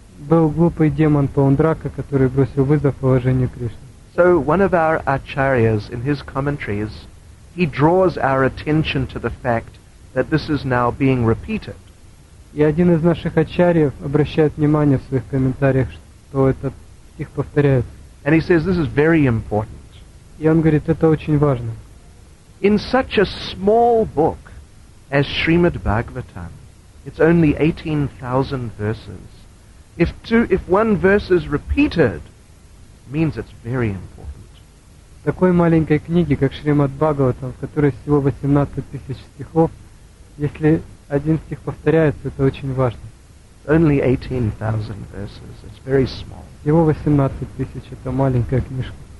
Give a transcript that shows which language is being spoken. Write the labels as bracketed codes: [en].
[ru] Был глупый демон Пондрака, который бросил вызов положению Кришны. [en] So one of our acharyas in his commentaries, he draws our attention to the fact that this is now being repeated. [ru] И один из наших ачарьев обращает внимание в своих комментариях, что этот стих повторяется. [en] And he says this is very important. [ru] И он говорит, это очень важно. [en] In such a small book as Srimad Bhagavatam, it's only 18,000 verses. If one verse is repeated, means it's very important. [ru] В такой маленькой книге, как Шримад Бхагаватам, в которой всего 18 тысяч стихов, если один стих повторяется, это очень важно. [en] Only 18,000 verses. It's very small. [ru] Всего 18 тысяч – это маленькая книжка.